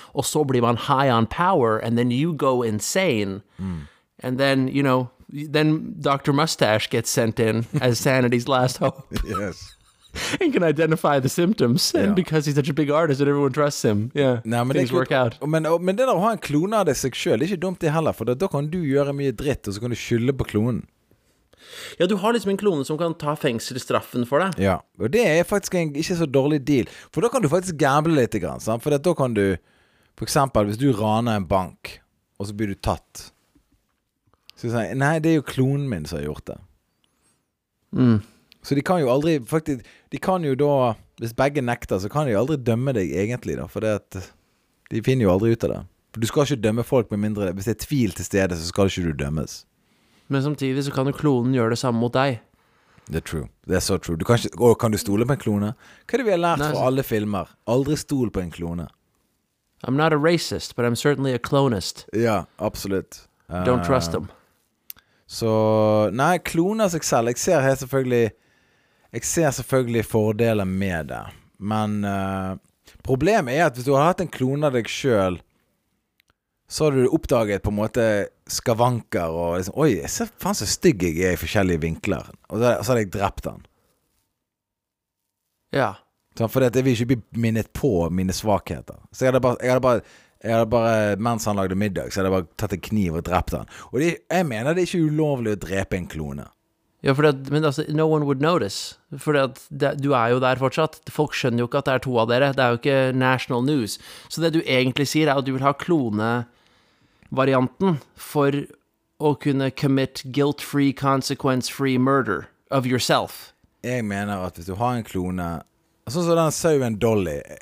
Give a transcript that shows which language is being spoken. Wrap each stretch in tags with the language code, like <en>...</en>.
<no>Og så blir man</no> <en>high on power, and then you go insane, and then, you know, then Dr. Mustache gets sent in as sanity's last hope. Yes. And can identify the symptoms, and because he's such a big artist and everyone trusts him, things work out.</en> <no>Men det å ha en klone av deg seg selv, det er ikke dumt det heller, for da kan du gjøre mye dritt, og så kan du skylle på klonen. Ja, du har liksom en klone som kan ta fengselstraffen for deg. Ja, og det er faktisk en ikke så dårlig deal. For da kan du faktisk gamble litt, sant? For da kan du, for eksempel, hvis du raner en bank, og så blir du tatt, så sier du, nei, det er jo klonen min som har gjort det. Så de kan jo aldri, faktisk, de kan jo da, hvis begge nekter, så kan de jo aldri dømme deg egentlig da, for det at, de finner jo aldri ut av det. For du skal ikke dømme folk med mindre, hvis det er tvil til stede, så skal ikke du dømmes. Men samtidig så kan jo klonen gjøre det samme mot deg. Det er true, det er så true. Du kan ikke, og kan du stole på en klone? Hva er det vi har lært fra alle filmer? Aldri stole på en klone.</no> <en>I'm not a racist, but I'm certainly a clonist.</en> <no>Ja, absolutt.</no> <en>Don't trust them.</en> <no>Så, nei, kloner seg selv. Jeg ser helt selvfølgelig, jeg ser selvfølgelig fordeler med det. Men problemet er at hvis du har hatt en klone av deg selv, så har du oppdaget på en måte skavanker og liksom, oi, jeg ser faen så stygg jeg er i forskjellige vinkler. Og så hadde jeg drept han. Ja. Så for det vil ikke bli minnet på mine svakheter. Så jeg hadde bare, mens han lagde middag, så hadde jeg bare tatt en kniv og drept han. Og det, jeg mener det er ikke ulovlig å drepe en klone. Ja, for det, men altså,</no> <en>no one would notice.</en> <no>For det, du er jo der fortsatt. Folk skjønner jo ikke at det er to av dere. Det er jo ikke</no> <en>national news.</en> <no>Så det du egentlig sier er at du vil ha klone-varianten for å kunne</no> <en>commit guilt-free, consequence-free murder of yourself.</en> <no>Jeg mener at hvis du har en klone, Sånn som den sauen Dolly.</no>